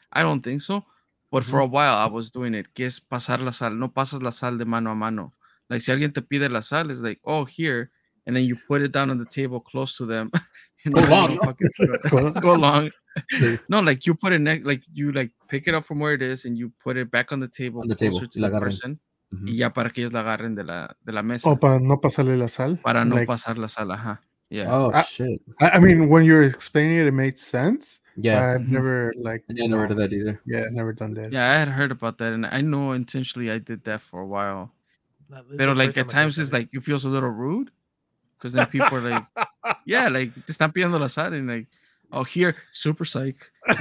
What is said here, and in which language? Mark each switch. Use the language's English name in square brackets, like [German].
[English] I don't think so. But mm-hmm. for a while, I was doing it. [Spanish] Que es pasar la sal. No pasas la sal de mano a mano. Like, si alguien te pide la sal, [English] it's like, oh, here. And then you put it down on the table close to them. Go long. Go long. No, like, you put it next, like, you, like, pick it up from where it is and you put it back on the table. On the table. To the person. [Spanish] Mm-hmm. Y ya para que ellos la agarren de la mesa. O para no pasarle la sal. Para no, like, pasar la sal, ajá. [English] Yeah. Oh, shit. I mean, when you're explaining it, it made sense. Yeah. But I've mm-hmm. never, like... Yeah, never heard of that either. Yeah, never done that. Yeah, I had heard about that, and I know intentionally I did that for a while. But, like, at times, it's like, it feels a little rude, because then people are like, yeah, like, [Spanish] te están pidiendo la sal, [English] and like, oh, here, super psych.